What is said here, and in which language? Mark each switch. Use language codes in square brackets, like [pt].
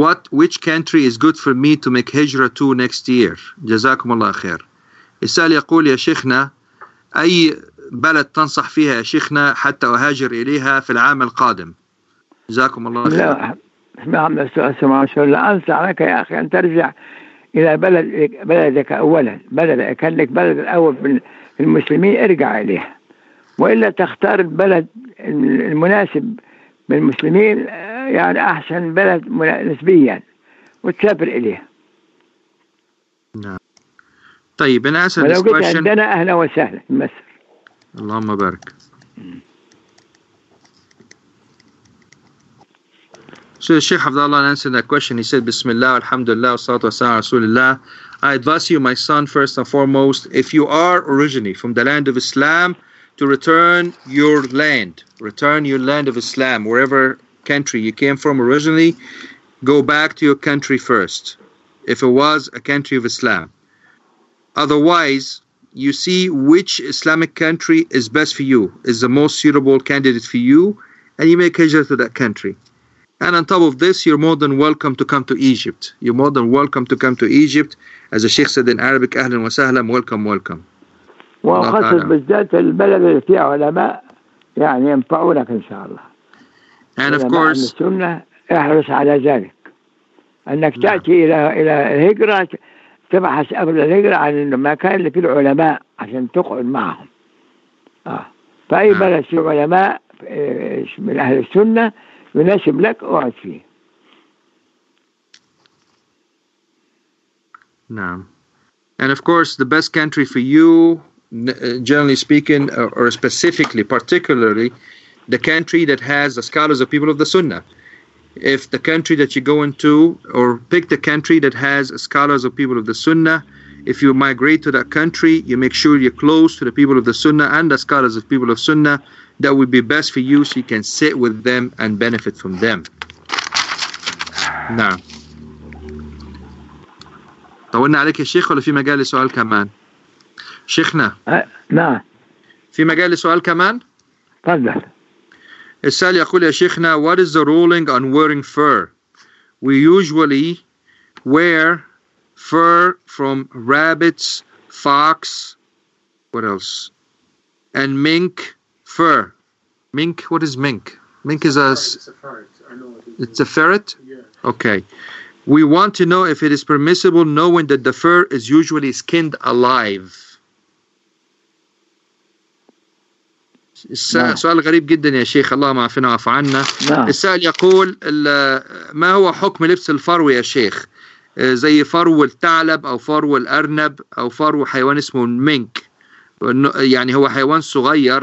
[en] Which country is good for me to make hijrah to next year? [ar] جزاكم الله خير. السؤال يقول يا شيخنا أي بلد تنصح فيها يا شيخنا حتى أهاجر إليها في العام القادم؟ جزاكم الله خير. لا اسمعنا السؤال سمع شو لا أنصح لك يا أخي أن ترجع إلى بلدك أولا بلد كان لك بلد الأول في المسلمين ارجع إليها وإلا تختار البلد المناسب بالمسلمين يعني أحسن بلد نسبيا وتسافر إليه نعم طيب أنا أسأل ولو قلت عندنا أهلا وسهلا في مصر اللهم بارك [en] So Sheikh Abdullah answered that question. He said, Bismillah, Alhamdulillah, Salatu Wasalam, Rasulullah. I advise you, my son, first and foremost, if you are originally from the land of Islam, to return your land of Islam, wherever country you came from originally, go back to your country first, if it was a country of Islam. Otherwise, you see which Islamic country is best for you, is the most suitable candidate for you, and you make hijrah to that country. And on top of this, you're more than welcome to come to Egypt. You're more than welcome to come to Egypt. As the Sheikh said in Arabic, Ahlan wa sahlan, welcome, welcome. [ar] وخاصة بالذات البلد اللي فيها علماء يعني ينفعونك إن شاء الله [en] and of course [ar] السنة احرص على ذلك أنك تأتي إلى الهجرة تبحث قبل الهجرة عن المكان اللي فيه العلماء عشان تقعد معهم فأي بلد فيه علماء من أهل السنة يناسب لك أقعد فيه نعم [en] And of course, the best country for you, generally speaking, or specifically, particularly, the country that has the scholars of people of the Sunnah. If the country that you go into, or pick the country that has scholars of people of the Sunnah, if you migrate to that country, you make sure you're close to the people of the Sunnah and the scholars of people of Sunnah. That would be best for you, so you can sit with them and benefit from them. Now. [ar] طولنا عليك يا شيخ ولا في مجال لسؤال كمان؟ شيخنا. في مجال لسؤال كمان؟ تفضل. السؤال يقول يا شيخنا, [en] what is the ruling on wearing fur? We usually wear fur from rabbits, fox, what else? And mink fur. Mink, what is mink? Mink it's is a ferret. It's a ferret? Yeah. Okay. We want to know if it is permissible knowing that the fur is usually skinned alive. [ar] سؤال غريب جدا يا شيخ, الله ما عافنا وعفى عنا. السؤال يقول, ما هو حكم لبس الفرو يا شيخ, زي فرو الثعلب او فرو الارنب او فرو حيوان اسمه المنك, يعني هو حيوان صغير.